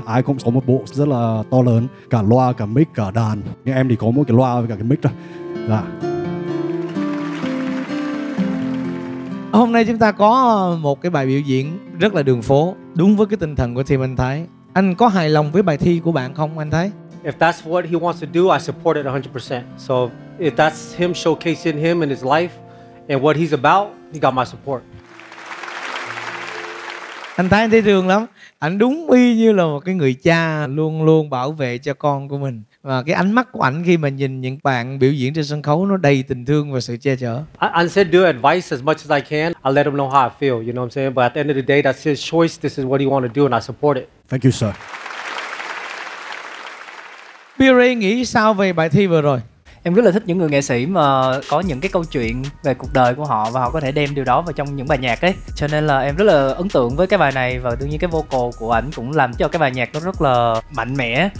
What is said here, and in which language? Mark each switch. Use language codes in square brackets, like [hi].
[vi] Ai cũng có một bộ rất là to lớn, cả loa, cả mic, cả đàn. Nhưng em thì có mỗi cái loa với cả cái mic thôi. Dạ. Hôm nay chúng ta có một cái bài biểu diễn rất là đường phố, đúng với cái tinh thần của team anh Thái. Anh có hài lòng với bài thi của bạn không anh Thái? [en] If that's what he wants to do, I support it 100%. So if that's him showcasing him and his life and what he's about, he got my support. [vi] Anh Thái anh thấy thương lắm. Anh đúng y như là một cái người cha luôn luôn bảo vệ cho con của mình. Và cái ánh mắt của anh khi mà nhìn những bạn biểu diễn trên sân khấu nó đầy tình thương và sự che chở. [en] I said do advice as much as I can. I let him know how I feel, you know what I'm saying? But at the end of the day, that's his choice. This is what he want to do and I support it. Thank you, sir. [vi] Pierre nghĩ sao về bài thi vừa rồi? Em rất là thích những người nghệ sĩ mà có những cái câu chuyện về cuộc đời của họ và họ có thể đem điều đó vào trong những bài nhạc ấy. Cho nên là em rất là ấn tượng với cái bài này và đương nhiên cái vocal của ảnh cũng làm cho cái bài nhạc nó rất là mạnh mẽ.